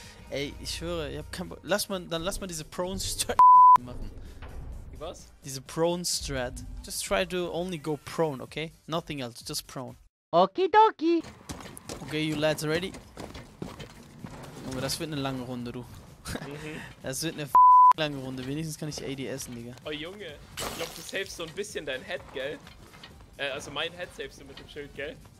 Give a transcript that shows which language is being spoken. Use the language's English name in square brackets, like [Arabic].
[German] Ey, ich schwöre, ich hab kein Bock. Lass mal diese Prone Strat machen. Die was? Diese Prone Strat. [English] Just try to only go prone, okay? Nothing else, just prone. Okie dokie! Okay, you lads ready? [German] Oh, das wird eine lange Runde, du. Das wird eine lange Runde. Wenigstens kann ich ADS, Digga. Oh, Junge. Ich glaube, du savest so ein bisschen dein Head, gell? Also mein Head savest du mit dem Schild, gell?